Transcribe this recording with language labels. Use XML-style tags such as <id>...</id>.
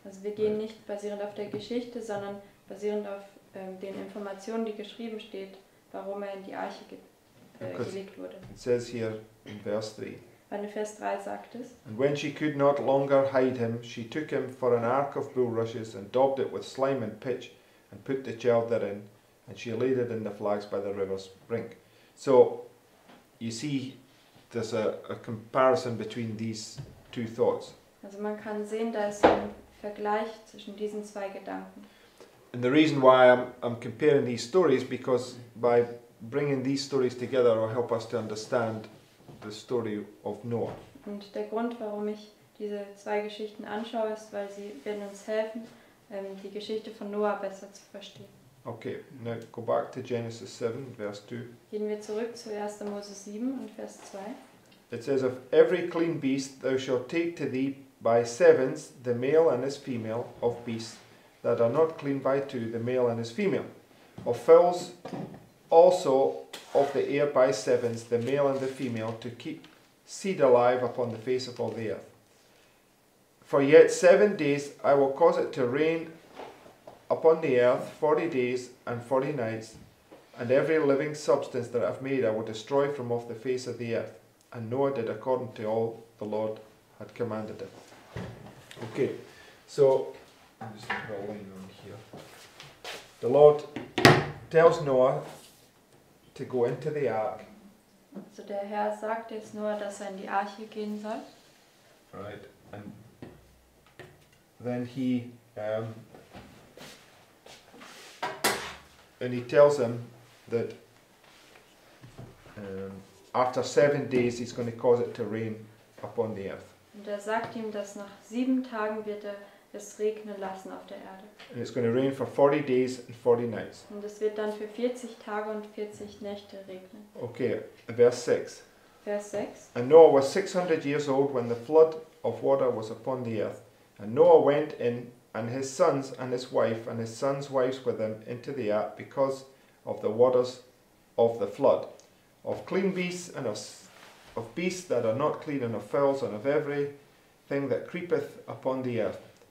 <de>Also wir gehen nicht basierend auf der Geschichte, sondern basierend auf den Informationen, die geschrieben steht, warum er in die Arche gelegt wurde.</de> <en>It says here in verse 3. And when she could not longer hide him, she took him for an ark of bulrushes and daubed it with slime and pitch and put the child therein and she laid it in the flags by the river's brink. So, you see, there's a comparison between these two thoughts.</en> <de>Also man kann sehen, da ist ein Vergleich zwischen diesen zwei Gedanken.</de> <en>And the reason why I'm comparing these stories because by bringing these stories together will help us to understand the story of Noah.</en> <de>Und der Grund, warum ich diese zwei Geschichten anschaue, ist, weil sie werden uns helfen, die Geschichte von Noah besser zu verstehen.</de> <en>Okay, now go back to Genesis 7, verse 2.</en> <de>Gehen wir zurück zu 1. Mose 7 und Vers 2.</de> <en>It says, Of every clean beast thou shalt take to thee by sevens, the male and his female, of beasts that are not clean by two, the male and his female. Of fowls also of the air by sevens, the male and the female, to keep seed alive upon the face of all the earth. For yet 7 days I will cause it to rain upon the earth, 40 days and 40 nights, and every living substance that I have made I will destroy from off the face of the earth. And Noah did according to all the Lord had commanded him. Okay, so I'm just rolling on here. The Lord tells Noah to go into the ark.</en> <de>So der Herr sagt jetzt Noah, dass er in die Arche gehen soll.</de> <en>Right, and then he and he tells him that after 7 days he's going to cause it to rain upon the earth.</en> <de>Und er sagt ihm, dass nach 7 Tagen wird er es regnen lassen auf der Erde.</de> <en>And it's going to rain for 40 days and 40 nights.</en> <de>Und es wird dann für 40 Tage und 40 Nächte regnen.</de> <en>Okay, verse 6.</en> <de>Vers 6.</de> <en>And Noah was 600 years old when the flood of water was upon the earth. And Noah went in, and his sons and his wife and his sons' wives with him into the ark because of the waters of the flood. Of clean beasts and of beasts that are not clean and of fowls and of every thing that creepeth upon the earth.</en>